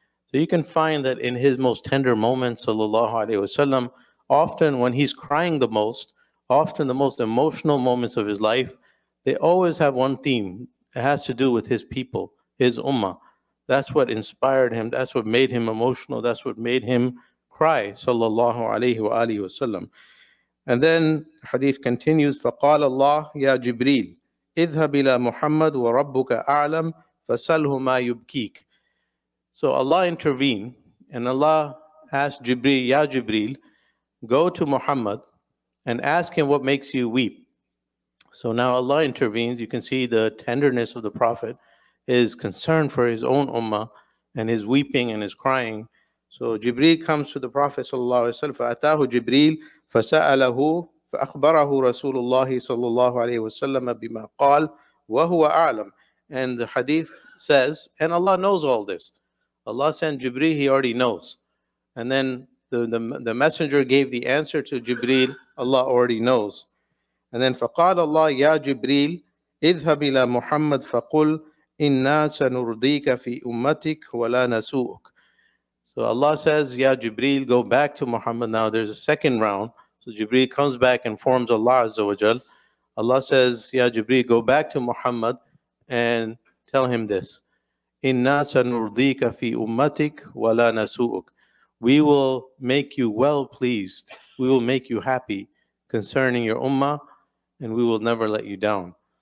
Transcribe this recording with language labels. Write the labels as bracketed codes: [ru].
[en] So you can find that in his most tender moments sallallahu alayhi wa sallam, often when he's crying the most, often the most emotional moments of his life, they always have one theme. It has to do with his people, his ummah. That's what inspired him. That's what made him emotional. That's what made him cry, sallallahu alayhi wa alihi wasallam. And then hadith continues, [ar] فَقَالَ اللَّهُ يَا جِبْرِيلُ اِذْهَبْ إِلَى مُحَمَّدُ وَرَبُّكَ أَعْلَمْ فَسَلْهُ مَا يُبْكِيكَ. [en] So Allah intervened, and Allah asked Jibreel, Ya Jibreel, go to Muhammad and ask him what makes you weep. So now Allah intervenes. You can see the tenderness of the Prophet, his concern for his own ummah, and his weeping and his crying. So Jibreel comes to the Prophet sallallahu alaihi wasallam. [ar] فَأَتَاهُ جِبْرِيلُ فَسَأَلَهُ فَأَخْبَرَهُ رَسُولُ اللَّهِ صَلَّى اللَّهُ عَلَيْهِ وَسَلَّمَ بِمَا قَالَ وَهُوَ أَعْلَمُ. [en] And the hadith says, and Allah knows all this. Allah sent Jibreel, he already knows. And then the messenger gave the answer to Jibreel, Allah already knows. And then [ar] فَقَالَ اللَّهُ يَا جِبْرِيلُ اِذْهَبْ إِلَى مُحَمَّدْ فَقُلْ إِنَّا سَنُرْضِيكَ فِي أُمَّتِكَ وَلَا نَسُوءُكَ. [en] So Allah says, Ya Jibreel, go back to Muhammad. Now there's a second round. So Jibreel comes back and informs Allah Azza wa Jal. Allah says, Ya Jibreel, go back to Muhammad and tell him this. [ar] إِنَّا سَنُرْضِيكَ فِي أُمَّتِكَ وَلَا نَسُوءُكَ. [en] We will make you well pleased. We will make you happy concerning your ummah, and we will never let you down.